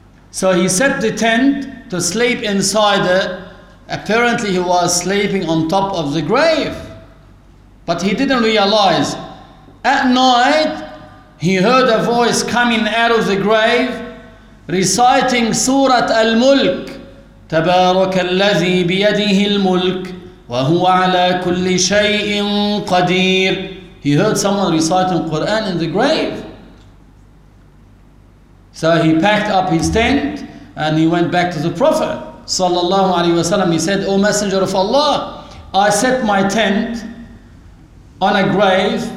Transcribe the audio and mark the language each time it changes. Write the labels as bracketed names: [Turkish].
[English] So he set the tent to sleep inside it. Apparently he was sleeping on top of the grave, but he didn't realize. At night, he heard a voice coming out of the grave reciting Surat Al-Mulk. [Arabic] تبارك الذي بيده الملك وهو على كل شيء قدير. [English] He heard someone reciting Quran in the grave. So he packed up his tent and he went back to the Prophet sallallahu alaihi wasallam. He said, O Messenger of Allah, I set my tent on a grave.